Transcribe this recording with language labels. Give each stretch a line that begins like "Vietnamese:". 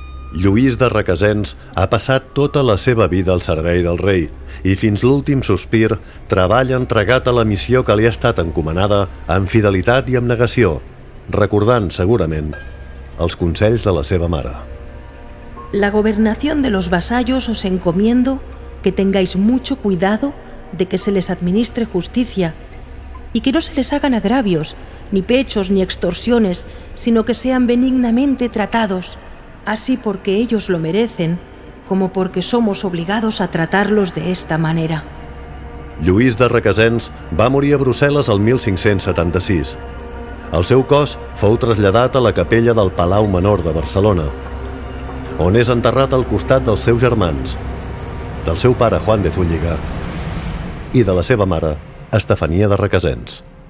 Catalan: Lluís de Requesens ha passat tota la seva vida al servei del rei i fins l'últim sospir treballa entregat a la missió que li ha estat encomanada amb fidelitat i abnegació, recordant, segurament, els consells de la seva mare.
Spanish: La gobernación de los vasallos os encomiendo que tengáis mucho cuidado de que se les administre justicia y que no se les hagan agravios, ni pechos, ni extorsiones, sino que sean benignamente tratados, así porque ellos lo merecen, como porque somos obligados a tratarlos de esta manera.
Catalan: Lluís de Requesens va morir a Brussel·les el 1576. El seu cos fou traslladat a la capella del Palau Menor de Barcelona, on és enterrat al costat dels seus germans, del seu pare Juan de Zúñiga i de la seva mare, Estefania de Requesens.